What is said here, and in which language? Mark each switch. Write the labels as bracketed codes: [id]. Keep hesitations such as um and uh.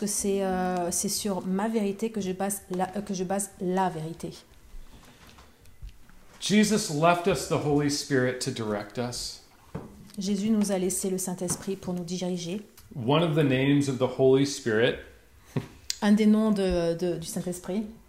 [fr] que c'est euh, est sur ma vérité que je base la que je base la vérité [en] Jesus left us the Holy Spirit to direct us. [fr] Jésus nous a laissé le Saint-Esprit pour nous diriger. [en] One of the names of the Holy Spirit. [fr] Un des noms de, de, du Saint-Esprit.